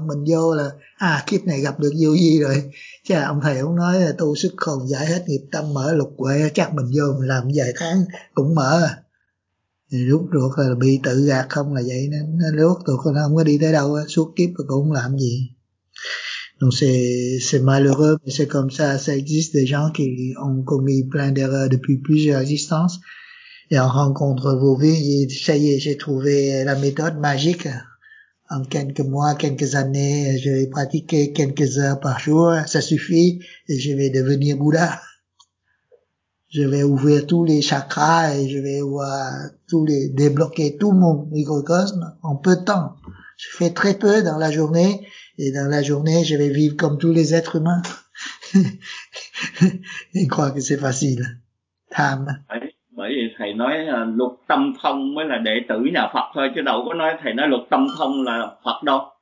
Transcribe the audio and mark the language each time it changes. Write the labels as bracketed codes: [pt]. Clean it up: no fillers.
[vi] Mình vô là à kiếp này gặp được vô vi rồi, chứ ông thầy ông nói là tu sức khôn giải hết nghiệp tâm mở lục huệ, chắc mình vô mình làm vài tháng cũng mở thì rút ruột là bị tự gạt không là vậy. Nên rút ruột nó không có đi tới đâu, suốt kiếp cũng không làm gì. [fr] Donc c'est malheureux mais c'est comme ça, ça existe des gens qui ont commis plein d'erreurs depuis plusieurs existences. Et en rencontre vos vies, ça y est, j'ai trouvé la méthode magique. En quelques mois, quelques années, je vais pratiquer quelques heures par jour, ça suffit, et je vais devenir Bouddha. Je vais ouvrir tous les chakras et je vais voir tous les, débloquer tout mon microcosme en peu de temps. Je fais très peu dans la journée, et dans la journée, je vais vivre comme tous les êtres humains. Je crois que c'est facile. [vi] Tham. Bởi vì thầy nói luật tâm thông mới là đệ tử nhà Phật thôi, chứ đâu có nói thầy nói luật tâm thông là Phật đâu.